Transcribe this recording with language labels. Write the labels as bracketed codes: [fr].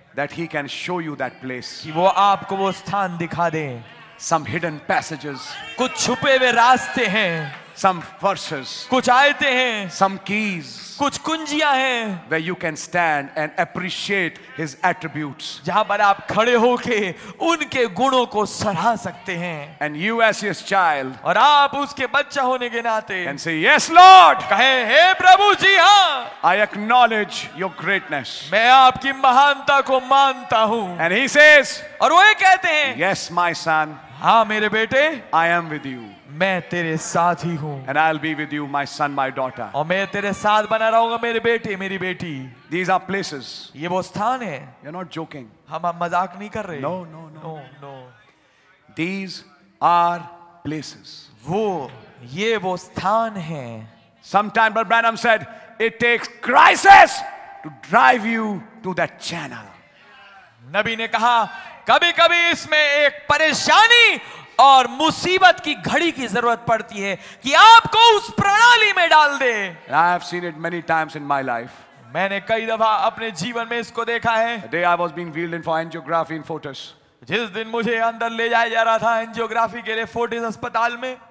[en] That he can show you that place. [hi] कि वो आपको वो स्थान दिखा दे. [en] Some hidden passages. [hi] कुछ छुपे हुए रास्ते हैं. [en] Some verses. [hi] कुछ आयतें हैं. [en] Some keys. [hi] कुछ कुंजियां हैं. [en] Where you can stand and appreciate his attributes. [hi] जहां पर आप खड़े होके उनके गुणों को सराह सकते हैं. [en] And you as his child. [hi] और आप उसके बच्चा होने के नाते. [en] And say yes Lord. [hi] कहें हे प्रभु जी हाँ. [en] I acknowledge your greatness. [hi] मैं आपकी महानता को मानता हूँ. [en] And he says. [hi] और वो ये कहते हैं. [en] Yes my son. [hi] हाँ मेरे बेटे. [en] I am with you. [hi] मैं तेरे साथ ही हूँ. [en] And I'll be with you, my son, my daughter. [hi] और मैं तेरे साथ बना रहूँगा मेरे बेटे मेरी बेटी. [en] These are places. [hi] ये वो स्थान है. [en] You're not joking. [hi] हम मजाक नहीं कर रहे. [en] No, no, no, no, no. These are places. [hi] वो ये वो स्थान है. [en] Sometime, but Branham said, it takes crisis to drive you to that channel. [hi] नबी ने कहा, कभी-कभी इसमें एक परेशानी और मुसीबत की घड़ी की जरूरत पड़ती है कि आपको उस प्रणाली में डाल दे. [en] I have seen it many times in my life. [hi] मैंने कई दफा अपने जीवन में इसको देखा है. [en] The day I was being wheeled in for angiography in Fortis. [hi] जिस दिन मुझे अंदर ले जाया जा रहा था एंजियोग्राफी के लिए फोर्टिस अस्पताल में.